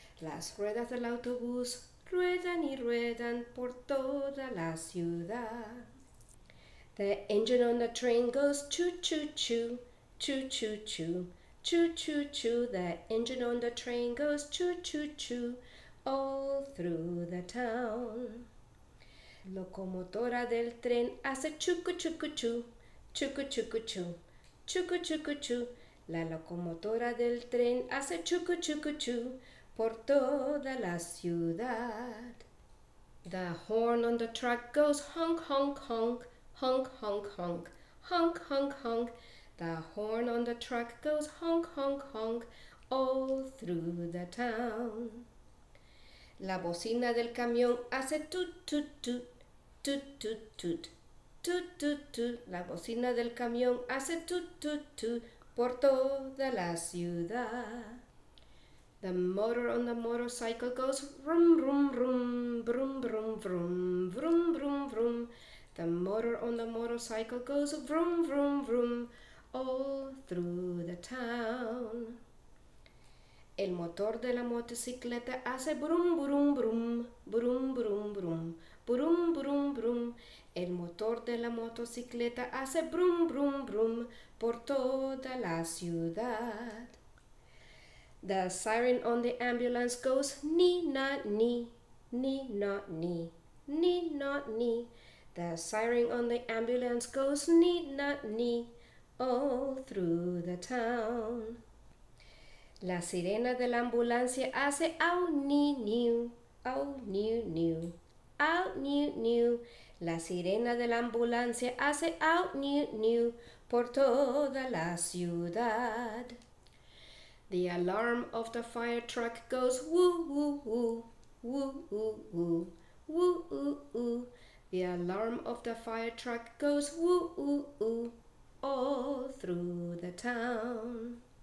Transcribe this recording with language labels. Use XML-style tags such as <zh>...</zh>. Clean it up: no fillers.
<es>Las ruedas del autobús ruedan y ruedan por toda la ciudad.</es> <en>The engine on the train goes choo-choo-choo, choo-choo-choo, choo-choo-choo. The engine on the train goes choo-choo-choo all through the town.</en> <es>Locomotora del tren hace choo-choo-choo, choo-choo-choo, choo-choo-choo. La locomotora del tren hace choo-choo-choo por toda la ciudad.</es> <en>The horn on the truck goes honk, honk, honk, honk, honk, honk, honk, honk, honk. The horn on the truck goes honk, honk, honk all through the town.</en> <es>La bocina del camión hace toot, toot, toot, toot, toot, toot, toot, toot, toot. La bocina del camión hace toot, toot, toot por toda la ciudad.</es> <en>The motor on the motorcycle goes vroom, vroom, vroom, vroom, vroom, vroom, vroom, vroom, vroom. The motor on the motorcycle goes vroom, vroom, vroom all through the town.</en> <es>El motor de la motocicleta hace brum, brum, brum, brum, brum, brum, brum, brum, brum. El motor de la motocicleta hace brum, brum, brum por toda la ciudad.</es> <en>The siren on the ambulance goes ni na ni, ni na ni, ni na ni. The siren on the ambulance goes ni na ni all through the town.</en> <es>La sirena de la ambulancia hace au ni niu, au niu niu, au niu niu. La sirena de la ambulancia hace au niu niu por toda la ciudad.</es> <en>The alarm of the fire truck goes woo woo woo, woo woo woo, woo woo woo. The alarm of the fire truck goes woo woo woo all through the town.</en>